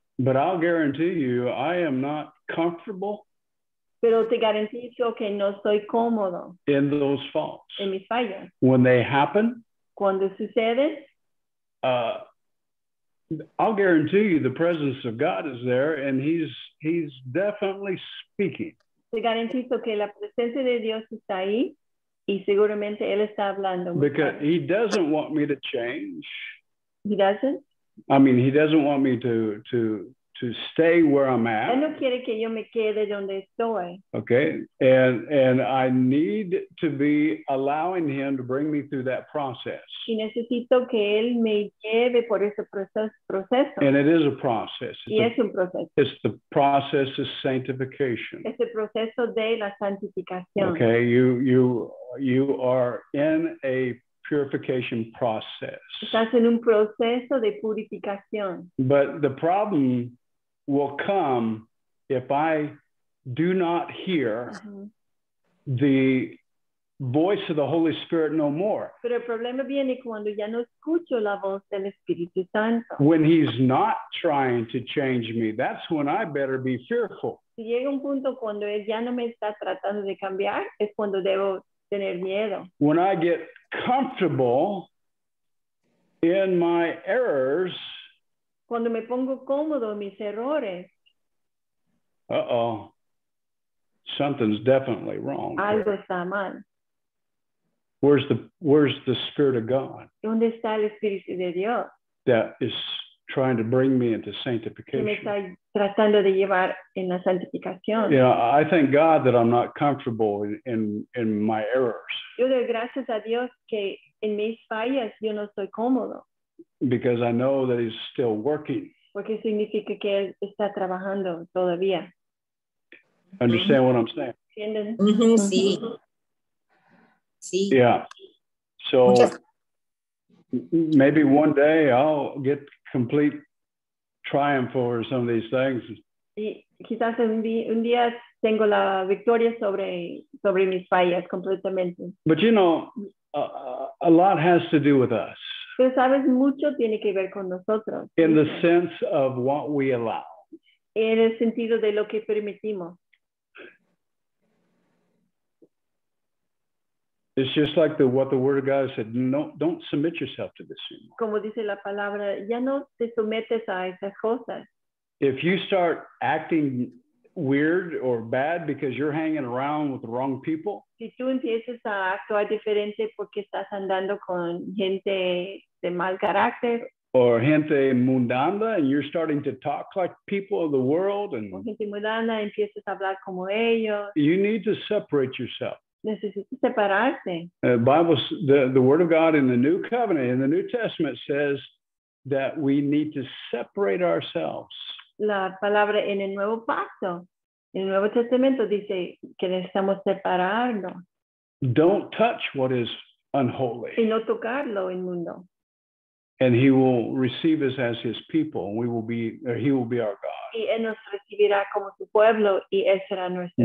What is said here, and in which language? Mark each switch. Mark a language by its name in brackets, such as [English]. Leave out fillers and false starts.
[English] But I'll guarantee you, I am not comfortable. [Spanish] Pero te garantizo que no soy cómodo. [English] In those faults. [Spanish] En mis fallas. [English] When they happen. [Spanish] Cuando sucede. [English] I'll guarantee you, the presence of God is there, and He's definitely speaking. [Spanish] Te garantizo que la presencia de Dios está ahí. Y seguramente él está hablando. [English] Because he doesn't want me to change. He doesn't? I mean, he doesn't want me to stay where I'm at. [Spanish] Él no quiere que yo me quede donde estoy. [English] Okay. And I need to be allowing him to bring me through that process. [Spanish] Y necesito que él me lleve por ese proceso. [English] And it is a process. [Spanish] Es un proceso. [English] It's the process of sanctification. [Spanish] Es el proceso de la santificación. [English] Okay. You are in a purification process. [Spanish] Estás en un proceso de purificación. [English] But the problem will come if I do not hear the voice of the Holy Spirit no more. [Spanish] Pero el problema viene cuando ya no escucho la voz del Espíritu Santo. [English] When he's not trying to change me, that's when I better be fearful. [Spanish] Si llega un punto cuando él ya no me está tratando de cambiar, es cuando debo tener miedo. [English] When I get comfortable in my errors, [Spanish] cuando me pongo cómodo en mis errores, [English] uh-oh, something's definitely wrong. [Spanish] Algo está mal. [English] Where's the Spirit of God? [Spanish] ¿Dónde está el Espíritu de Dios? [English] That is trying to bring me into sanctification. [Spanish] Me está tratando de llevar en la santificación. [English] Yeah, I thank God that I'm not comfortable in my errors. [Spanish] Yo doy gracias a Dios que en mis fallas yo no estoy cómodo. [English] Because I know that he's still working. [Spanish] Porque significa que él está trabajando todavía. [English] Understand what I'm saying? [Spanish] ¿Entienden? Mm-hmm, sí. Sí. [English] Yeah. So maybe one day I'll get complete triumph over some of these things. [Spanish] Y quizás un día tengo la victoria sobre mis fallas completamente. [English] But you know, a lot has to do with us. [Spanish] Pero sabes, mucho tiene que ver con nosotros. [English] In the sense of what we allow. [Spanish] En el sentido de lo que permitimos. [English] It's just like what the Word of God said. No, don't submit yourself to this anymore. [Spanish] Como dice la palabra, ya no te sometes a esas cosas. [English] If you start acting weird or bad because you're hanging around with the wrong people, [Spanish] si tú empiezas a actuar diferente porque estás andando con gente de mal carácter, [English] or [Spanish] gente mundana, [English] and you're starting to talk like people of the world, and [Spanish] gente mundana, empiezas a hablar como ellos, [English] you need to separate yourself. [Spanish] Necesitas separarte. [English] The Word of God in the New Covenant, in the New Testament, says that we need to separate ourselves. [Spanish] La palabra en el Nuevo Pacto, en el Nuevo Testamento, dice que necesitamos separarnos. [English] Don't touch what is unholy. [Spanish] Y no tocar lo inmundo. [English] And he will receive us as his people, and he will be our God. [Spanish] Y él nos recibirá como su pueblo, y él será nuestro